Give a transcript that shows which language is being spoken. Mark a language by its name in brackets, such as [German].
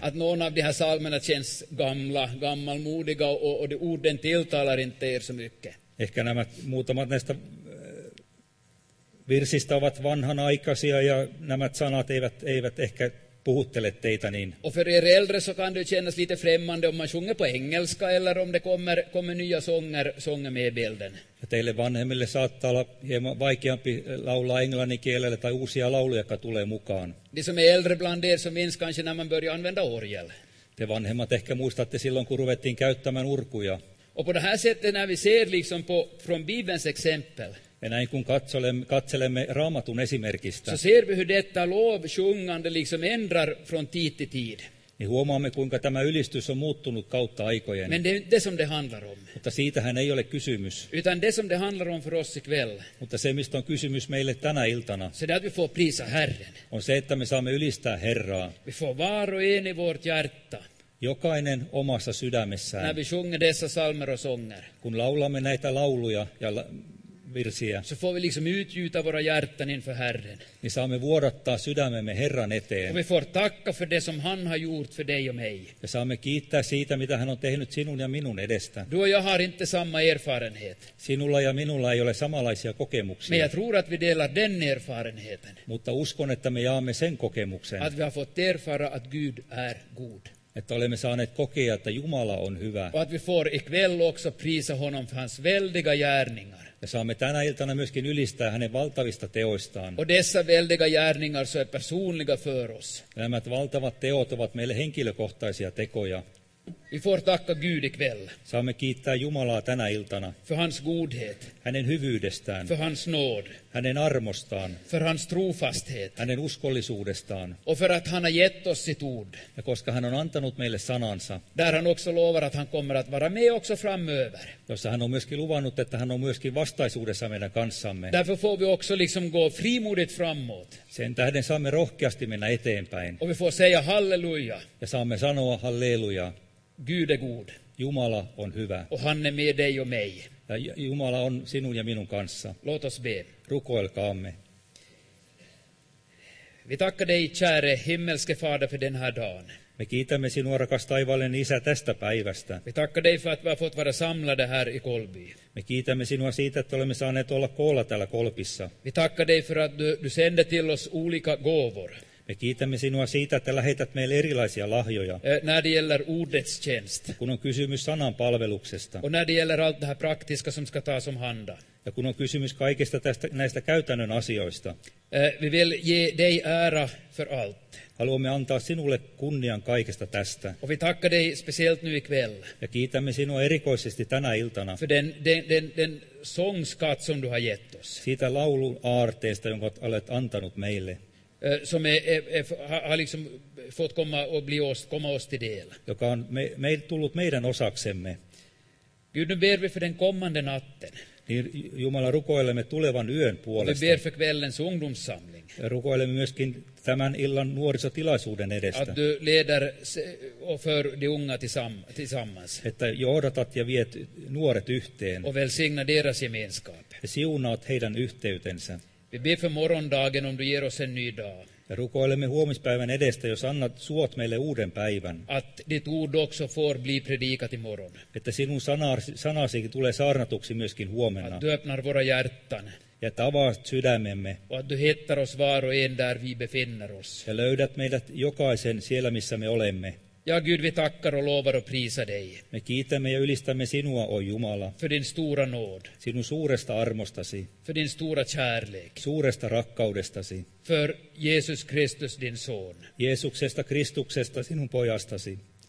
[Swedish] Att någon av de här salmerna känns gammalmodiga och de orden tilltalar inte er så mycket. [Finnish] Ehkä nämä muutamat näistä virsistä ovat vanhanaikaisia ja nämä sanat eivät ehkä puhuttele teitä niin. [Swedish] Och för er äldre så kan det kännas lite främmande om man sjunger på engelska eller om det kommer nya sånger med bilden. [Finnish] Ja teille vanhemmille saattaa olla hieman vaikeampi laulaa englannin kielellä tai uusia lauluja, jotka tulee mukaan. [Swedish] De som är äldre bland er så minns kanske när man börjar använda orgel. [Finnish] Te vanhemmat ehkä muistatte silloin, kun ruvettiin käyttämään urkuja. [Swedish] Och på det här sättet när vi ser liksom på, från Bibelns exempel. [Finnish] Ja näin kun katselemme Raamatun esimerkistä. [Swedish] Så ser vi hur detta lov sjungande liksom ändrar från tid till tid. [Finnish] Niin huomaamme, kuinka tämä ylistys on muuttunut kautta aikojen. [Swedish] Men det som det handlar om. [Finnish] Mutta siitähän ei ole kysymys. [Swedish] Utan det som det handlar om för oss ikväll. [Finnish] Mutta se, mistä on kysymys meille tänä iltana. [Swedish] Så det att vi får prisa Herren. [Finnish] On se, että me saamme ylistää Herraa. [Swedish] Vi får var och en i vårt hjärta. [Finnish] Jokainen omassa sydämessään. [Swedish] När vi sjunger dessa salmer och sånger. [Finnish] Kun laulamme näitä lauluja ja virsiä. [Swedish] Så får vi liksom utgjuta våra hjärtan inför Herren. [Finnish] Ni saamme vuodattaa sydämemme Herran eteen. [Swedish] Och vi får tacka för det som han har gjort för dig och mig. [Finnish] Ja saamme kiittää siitä, mitä hän on tehnyt sinun ja minun edestä. [Swedish] Du och jag har inte samma erfarenhet. [Finnish] Sinulla ja minulla ei ole samanlaisia kokemuksia. [Swedish] Men jag tror att vi delar den erfarenheten. [Finnish] Mutta uskon, että me jaamme sen kokemuksen. [Swedish] Att vi har fått erfara att Gud är god. [Finnish] Että olemme saaneet kokea, että Jumala on hyvä. [Swedish] Och att vi får ikväll också prisa honom för hans väldiga gärningar. [Finnish] Ja saamme tänä iltana myöskin ylistää hänen valtavista teoistaan. [Swedish] Och dessa väldiga gärningar så är personliga för oss. [Finnish] Nämä valtavat teot ovat meille henkilökohtaisia tekoja. [Swedish] Vi får tacka Gud ikväll. [Finnish] Saamme kiittää Jumalaa tänä iltana. [Swedish] För hans godhet. [Finnish] Hänen hyvyydestään. [Swedish] För hans nåd. [Finnish] Hänen armostaan. [Swedish] För hans trofasthet. [Finnish] Hänen uskollisuudestaan. [Swedish] Och för att han har gett oss sitt ord. [Finnish] Ja koska hän on antanut meille sanansa. [Swedish] Där han också lovar att han kommer att vara med också framöver. [Finnish] Jossa hän on myöskin luvannut, että hän on myöskin vastaisuudessa meidän kanssamme. [Swedish] Därför får vi också liksom gå frimodigt framåt. [Finnish] Sen tähden saamme rohkeasti mennä eteenpäin. [Swedish] Och vi får säga halleluja. [Finnish] Ja saamme sanoa halleluja. [Swedish] Gud är god. [Finnish] Jumala on hyvä. [Swedish] Och han är med dig och mig. [Finnish] Ja Jumala on sinun ja minun kanssa. [Swedish] Låt oss be. [Finnish] Rukoilkaamme. [Swedish] Vi tackar dig, käre himmelske fader, för den här dagen. [Finnish] Me kiitämme sinua, rakas taivaallinen Isä, tästä päivästä. [Swedish] Vi tackar dig för att vi har fått vara samlade här i Kolby. [Finnish] Me kiitämme sinua siitä, että olemme saaneet olla koolla täällä Kolpissa. [Swedish] Vi tackar dig för att du sänder till oss olika gåvor. [Finnish] Me kiitämme sinua siitä, että lähetät meille erilaisia lahjoja. [Swedish] När det gäller ordets tjänst. [Finnish] Kun on kysymys sanan palveluksesta. [Swedish] Och när det gäller allt det här praktiska som ska tas om handa. [Finnish] Ja kun on kysymys kaikista tästä, näistä käytännön asioista. [Swedish] Vi vill ge dig ära för allt. [Finnish] Haluamme antaa sinulle kunnian kaikesta tästä. [Swedish] Och vi tackar dig speciellt nu ikväll. [Finnish] Ja kiitämme sinua erikoisesti tänä iltana. [Swedish] För den sångskatt som du har gett oss. [Finnish] Siitä laulun aarteesta, jonka olet antanut meille. [Swedish] Som har liksom fått komma oss till del. [Finnish] Joka on tullut meidän osaksemme. [Swedish] Gud, nu ber vi för den kommande natten. [Finnish] Niin Jumala, rukoilemme tulevan yön puolesta. [Swedish] Vi ber för kvällens ungdomssamling. [Finnish] Rukoilemme myöskin tämän illan nuorisotilaisuuden edestä. [Swedish] Att du leder och för de unga tillsammans. [Finnish] Että johdatat ja viet nuoret yhteen. [Swedish] Och välsigna deras gemenskap. [Finnish] Ja siunaat heidän yhteytensä. [Swedish] Vi ber för morgondagen om du ger oss en ny dag. [Finnish] Ja rukoilemme huomispäivän edestä, jos annat suot meille uuden päivän. [Swedish] Att ditt ord också får bli predikat imorgon. [Finnish] Että sinun sanasi tulee saarnatuksi myöskin huomenna. [Swedish] Att du öppnar våra hjärtan. [Finnish] Ja että avaat sydämemme. [Swedish] Och att du hittar oss var och en där vi befinner oss. [Finnish] Ja löydät meidät jokaisen siellä, missä me olemme. [Swedish] Ja Gud, vi tackar och lovar och prisar dig. [Finnish] Me kiitämme ja ylistämme sinua, o Jumala. [Swedish] För din stora nåd. [Finnish] Sinun suuresta armostasi. [Swedish] För din stora kärlek. [Finnish] Suuresta rakkaudestasi. [Swedish] För Jesus Kristus, din son. [Finnish] Jeesuksesta Kristuksesta, sinun pojastasi.